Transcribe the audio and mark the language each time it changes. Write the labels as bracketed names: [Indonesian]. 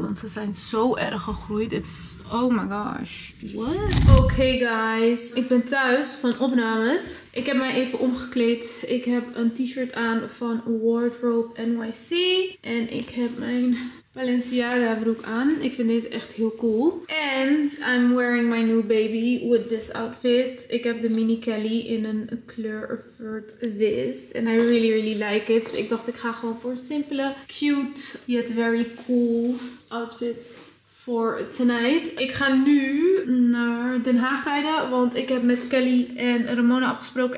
[Dutch] Want ze zijn zo erg gegroeid. [English] Oh my gosh. What? [Dutch] Okay guys. Ik ben thuis van opnames. Ik heb mij even omgekleed. Ik heb een t-shirt aan van Wardrobe NYC. En ik heb mijn Balenciaga broek aan. Ik vind deze echt heel cool. [English] And I'm wearing my new baby with this outfit. [Dutch] Ik heb de mini Kelly in een kleur vert wit. [English] And I really, really like it. [Dutch] Ik dacht ik ga gewoon voor een simpele, cute, yet very cool outfit voor tonight. Ik ga nu naar Den Haag rijden. Want ik heb met Kelly en Ramona afgesproken.